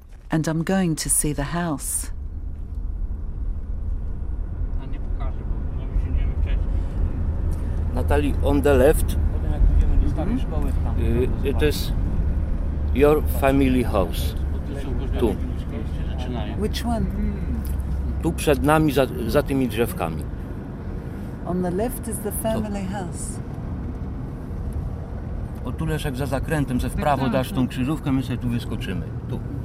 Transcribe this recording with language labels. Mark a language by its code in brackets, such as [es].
[en] And I'm going to see the house. Natalie, on the left, it is your family house. [pl] Tu. [en] Which one? [pl] Tu przed nami, za tymi drzewkami. [en] On the left is the family house. [pl] O tu Leszek za zakrętem, ze w prawo dasz tą krzyżówkę, my sobie tu wyskoczymy. Tu.